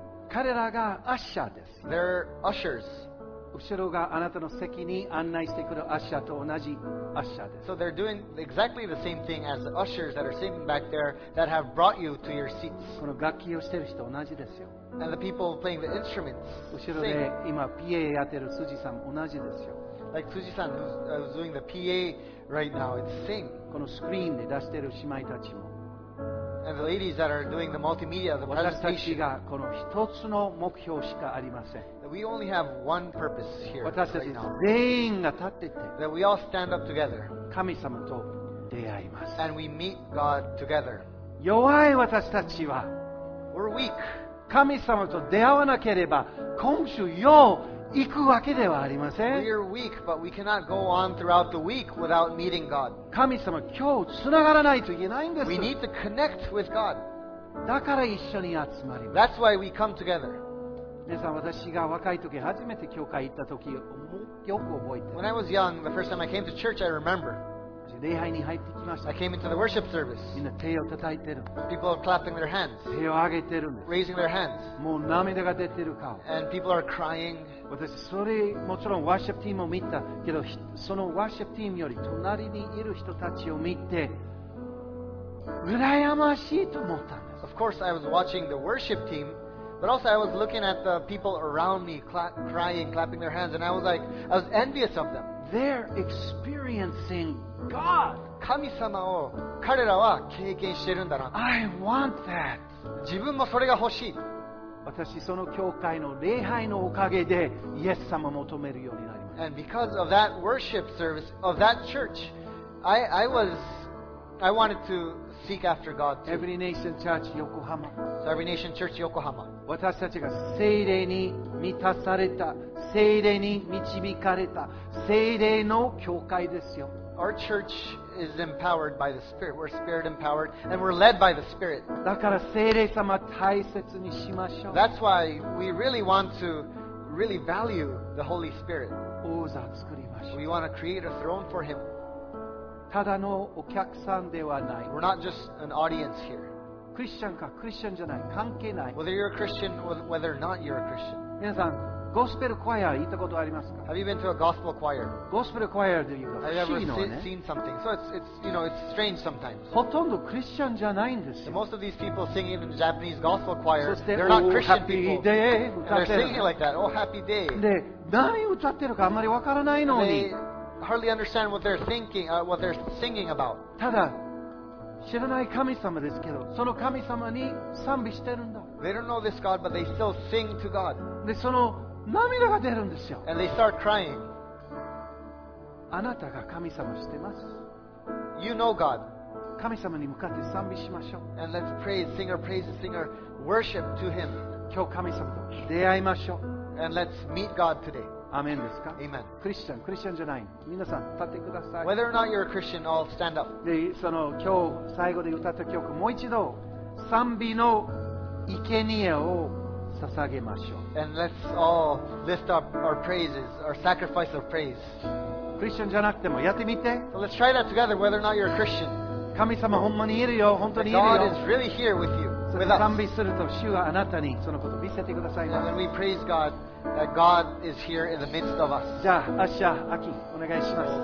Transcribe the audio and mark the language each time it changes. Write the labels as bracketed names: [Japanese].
[Japanese] 彼らがアッシャーです。 [English] They're ushers. [Japanese] 後ろがあなたの席に案内してくるアッシャーと同じアッシャーです。 [English] So they're doing exactly the same thing as the ushers that are sitting back there that have brought you to your seats. [Japanese] この楽器をしている人同じですよ。 [English] And the people playing the instruments. [Japanese] 後ろで今 PA やってる辻さん同じですよ。 [English] Like Tsuji-san who's doing the PA right now, it's same. [Japanese] このスクリーンで出している姉妹たちも。 [English] And the ladies that are doing the multimedia, the presentation. [Japanese] 私たちがこの一つの目標しかありません。 [English] We only have one purpose here. [Japanese] 私たち全員が立ってて。 [English] That we all stand up together. [Japanese] 神様と出会います。 [English] And we meet God together. [Japanese] 弱い私たちは。 [English] We're weak. [Japanese] 神様と出会わなければ、今週よう行くわけではありません。 [English] We're weak, but we cannot go on throughout the week without meeting God. [Japanese] 神様、今日つながらないといけないんです。 [English] We need to connect with God. [Japanese] だから一緒に集まります。 [English] That's why we come together. [Japanese] 皆さん、私が若い時初めて教会行った時よく覚えてます。 [English] When I was young, the first time I came to church, I remember. [Japanese] 礼拝に入ってきました。 [English] I came into the worship service. [Japanese] みんな手を叩いてる。 [English] People are clapping their hands. [Japanese] 手を上げてる。 [English] Raising their hands. [Japanese] もう涙が出てる顔。 [English] And people are crying. [Japanese] 私それもちろんワーシップチームを見たけど、そのワーシップチームより隣にいる人たちを見て羨ましいと思ったんです。 [English] Of course, I was watching the worship team. But also I was looking at the people around me crying, clapping their hands, and I was envious of them. They're experiencing God. [Japanese] 神様を彼らは経験してるんだな。 [English] I want that. [Japanese] 自分もそれが欲しい。私その教会の礼拝のおかげでイエス様を求めるようになりました。 [English] And because of that worship service, of that church, I was I wanted to seek after God too. Every Nation Church Yokohama. So Every Nation Church Yokohama. [Japanese] 私たちが聖霊に満たされた、聖霊に導かれた、聖霊の教会ですよ。 [English] Our church is empowered by the Spirit. We're spirit empowered and we're led by the Spirit. [Japanese] だから聖霊様を大切にしましょう。 [English] That's why we really want to really value the Holy Spirit. [Japanese] 王座を作りましょう。 [English] We want to create a throne for Him. [Japanese] ただのお客さんではない。 [English] We're not just an audience here. [Japanese] クリスチャンかクリスチャンじゃない、関係ない。 [English] Whether you're a Christian or whether not you're a Christian. [Japanese] 皆さん、ゴスペルクワイア行ったことありますか？ [English] Have you been to a gospel choir? [Japanese] ゴスペルクワイアで言うと、 [English] Have you ever seen something? So it's you know it's strange sometimes. [Japanese] ほとんどクリスチャンじゃないんですよ。 [English] Most of these people singing in the Japanese gospel choir, they're not Christian people. Happy day, they're singing like that. Oh, happy day. [Japanese] で、何歌ってるかあまりわからないのに。 [English] Hardly understand what they're thinking, what they're singing about. [Japanese] ただ知らない神様ですけど、その神様に賛美してるんだ。 [English] They don't know this God, but they still sing to God. [Japanese] で、その涙が出るんですよ。 [English] And they start crying. [Japanese] あなたが神様してます。 [English] You know God. [Japanese] 神様に向かって賛美しましょう。 [English] And let's praise, sing our praises, sing our worship to Him. [Japanese] 今日神様と出会いましょう。 [English] And let's meet God today. [Japanese] アメンですか？ [English] Amen. [Japanese] クリスチャンじゃない。皆さん立ってください。 [English] Whether or not you're a Christian, I'll stand up. [Japanese] で、その今日最後で歌った曲、もう一度賛美の生贄を捧げましょう。 [English] And let's all lift up our praises, our sacrifice of praise. [Japanese] クリスチャンじゃなくてもやってみて。 [English] So let's try that together, whether or not you're a Christian. [Japanese] 神様ほんまにいるよ、本当にいるよ。 [English] God is really here with you. With us. [Japanese] 賛美すると主はあなたにそのことを見せてくださいます。 [English] And when we praise God. That God is here in the midst of us. [Japanese] じゃあ、アッシャー、アキ、お願いします。